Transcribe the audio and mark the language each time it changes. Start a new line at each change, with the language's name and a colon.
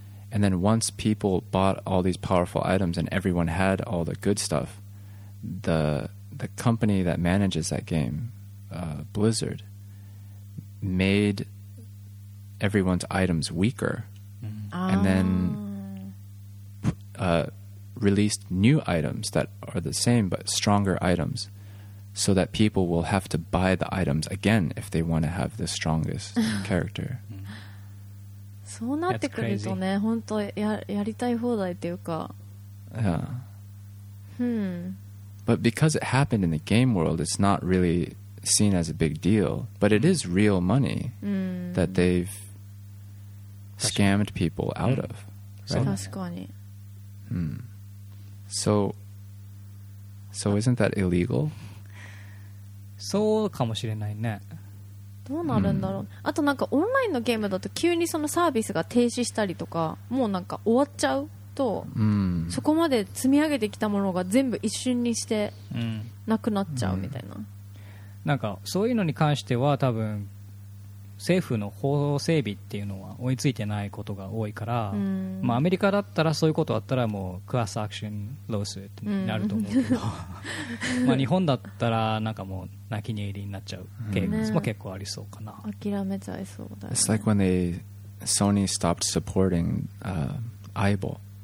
English: And then once people bought all these powerful items and everyone had all the good stuff, the company that manages that game, Blizzard, made everyone's items weaker. Mm-hmm. And then... released new items that are the same but stronger items so that people will have to buy the items again if they want to have the strongest character.
Japanese: そうなってくるとね、本当やりたい放題っていうか。
English: Yeah. Hmm. But because it happened in the game world, it's not really seen as a big deal. But it is real money that they've scammed people out of. Right?
Japanese: 確かに。
English: Hmm. So isn't that illegal?
Japanese: そうかもしれないね。どうなるんだろう。あとなんかオンラインのゲームだと急にそのサービスが停止したりとか、もうなんか終わっちゃうと、そこまで積み上げてきたものが全部一瞬にしてなくなっちゃうみたいな。なんかそういうのに関しては多分政府の法整備っていうのは追いついてないことが多いから、まあ、アメリカだったらそういうことあったらもうクラスアクションロースになると思うけど、まあ日本だったらなんかもう泣き寝入りになっちゃうケースも結構ありそうかな、ね、諦めちゃいそうだ、ね、
English: It's like when they Sony stopped supporting Aibo